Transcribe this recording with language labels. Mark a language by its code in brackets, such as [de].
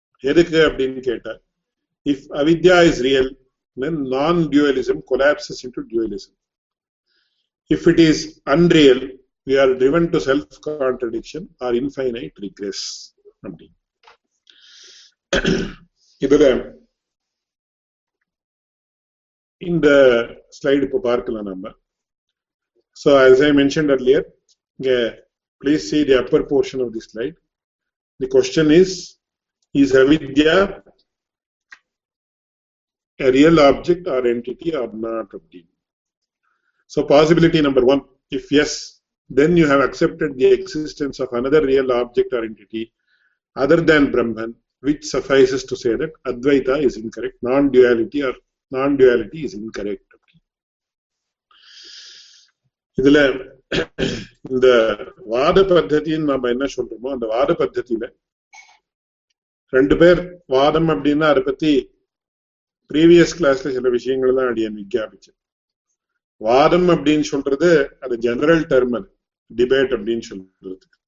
[ta] எதுக்கு அப்படின்னு கேட்டா, [en] If avidya is real then non dualism collapses into dualism, if it is unreal we are driven to self contradiction or infinite regress அப்படி. [ta] இதுல இந்த ஸ்லைடு இப்ப பார்க்கலாம் நம்ம. [en] So as I mentioned earlier, please see the upper portion of the slide. The question is avidya a real object or entity or not அப்படி. So possibility number 1, if yes, then you have accepted the existence of another real object or entity other than Brahman, which suffices to say that Advaita is incorrect, non-duality or non-duality is incorrect. [ta] இதுல இந்த வாத பத்தின்னு நம்ம என்ன சொல்றோமோ, அந்த வாத பத்தில ரெண்டு பேர் வாதம் அப்படின்னா அதை பத்தி ப்ரீவியஸ் கிளாஸ்ல சில விஷயங்கள் தான் அடியன் விஜயாபிச்சேன். வாதம் அப்படின்னு சொல்றது அது ஜெனரல் டெர்ம், அது டிபேட் அப்படின்னு சொல்றது.